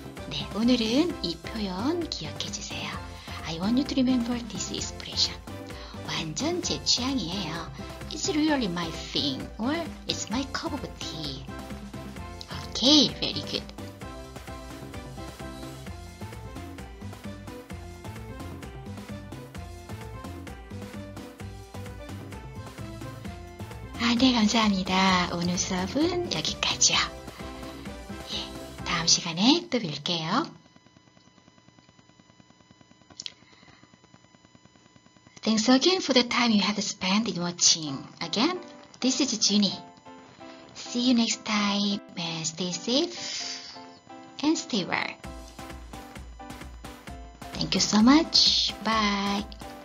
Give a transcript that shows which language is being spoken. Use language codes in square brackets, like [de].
[ko] 네, 오늘은 이 표현 기억해 주세요. [en] I want you to remember this expression. [ko] 완전 제 취향이에요. [en] It's really my thing, or it's my cup of tea. Okay, very good. [ko] 아, 네, 감사합니다. 오늘 수업은 여기까지요. 예, 다음 시간에 또 뵐게요. [en] Thanks again for the time you have spent in watching. Again, this is Juni. See you next time and stay safe and stay well. Thank you so much. Bye.